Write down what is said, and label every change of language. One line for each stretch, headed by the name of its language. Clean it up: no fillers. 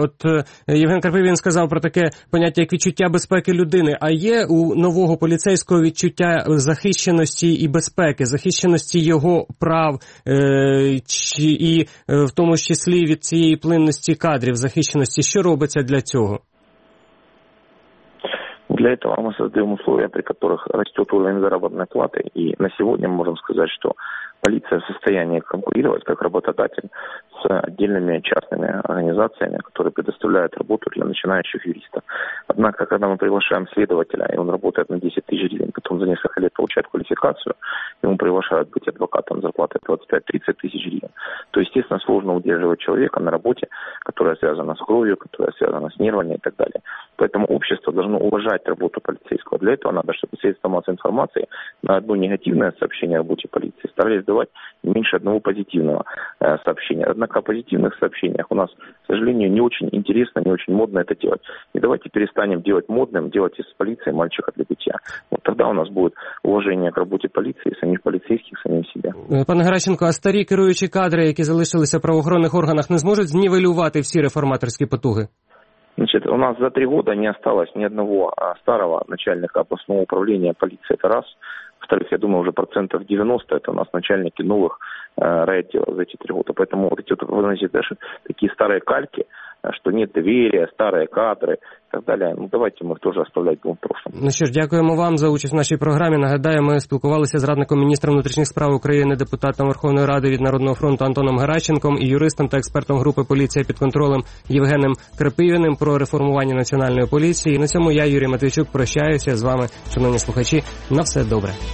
Ukrainian: От Євген Карпівін сказав про таке поняття, як відчуття безпеки людини. А є у нового поліцейського відчуття захищеності і безпеки, захищеності його прав, чи і в тому числі від цієї плинності кадрів, захищеності, що робиться для цього?
Russian: Для этого мы создаем условия, при которых растет уровень заработной платы. И на сегодня мы можем сказать, что полиция в состоянии конкурировать как работодатель с отдельными частными организациями, которые предоставляют работу для начинающих юристов. Однако, когда мы приглашаем следователя, и он работает на 10 тысяч гривен, потом за несколько лет получает квалификацию, ему приглашают быть адвокатом с зарплатой 25-30 тысяч гривен, то, естественно, сложно удерживать человека на работе, которая связана с кровью, которая связана с нервами и так далее. Поэтому общество должно уважать работу полицейского. Для этого надо, чтобы средства массовой информации на одно негативное сообщение о работе полиции старались давать меньше одного позитивного сообщения. Однако о позитивных сообщениях у нас, к сожалению, не очень интересно, не очень модно это делать. И давайте перестанем делать модным, делать из полиции мальчика для битья. Вот тогда у нас будет уважение к работе полиции, самих полицейских, самим себе.
Ukrainian: Пане Геращенко, а старі керуючі кадри, які залишилися в правоохоронних органах, не зможуть знівелювати всі реформаторські потуги?
Russian: Значит, у нас за три года не осталось ни одного старого начальника областного управления полиции. Это раз. Во-вторых, я думаю, уже процентов 90 это у нас начальники новых рейдеров за эти три года. Поэтому вот эти, вы знаете, даже такие старые кальки, что нет доверия, старые кадры и
Ukrainian: так далі.
Russian: Ну, давайте
Ukrainian: ми теж
Russian: оставлять в прошлом.
Ukrainian: Ну що ж, дякуємо вам за участь в нашій програмі. Нагадаю, ми спілкувалися з радником міністра внутрішніх справ України, депутатом Верховної Ради від Народного фронту Антоном Геращенком і юристом та експертом групи «Поліція під контролем» Євгеном Крапивіним про реформування національної поліції. І на цьому я, Юрій Матвійчук, прощаюся з вами, шановні слухачі. На все добре.